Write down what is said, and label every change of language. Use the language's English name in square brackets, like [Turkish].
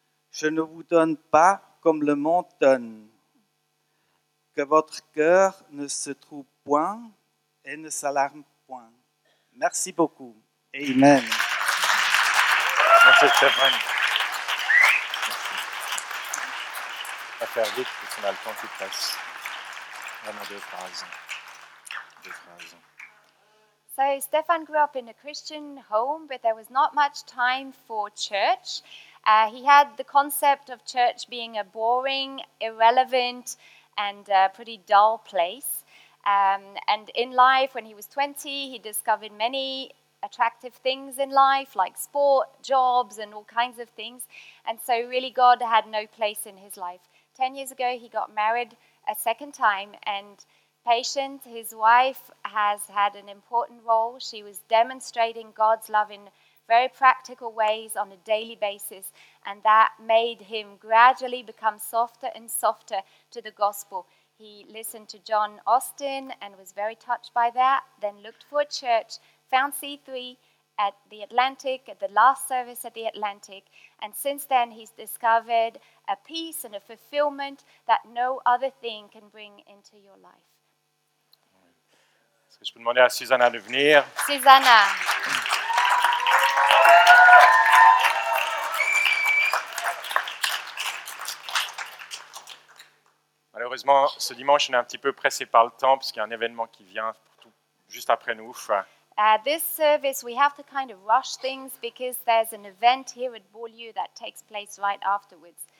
[French] Je ne vous donne pas comme le monde donne. Que votre cœur ne se trouble point et ne s'alarme point. Merci beaucoup. Amen. Merci Stéphane. On va faire vite parce qu'on a le temps qui passe. Vraiment deux phrases. Deux phrases. [English] So Stéphane grew up in a Christian home, but there was not much time for church. He had the concept of church being a boring, irrelevant, and a pretty dull place. And in life, when he was 20, he discovered many attractive things in life, like sport, jobs, and all kinds of things. And so really, God had no place in his life. 10 years ago, he got married a second time, and Patience, his wife, has had an important role. She was demonstrating God's love in very practical ways on a daily basis, and that made him gradually become softer and softer to the gospel. He listened to John Austin and was very touched by that, then looked for a church, found C3 at the Atlantic, at the last service at the Atlantic, and since then he's discovered a peace and a fulfillment that no other thing can bring into your life. [French] Est-ce que je peux demander à Susanna de venir? Susanna. Malheureusement, ce dimanche, on est un petit peu pressé par le temps parce qu'il y a un événement qui vient tout, juste après nous. [English] This service, we have to kind of rush things because there's an event here at Beaulieu that takes place right afterwards.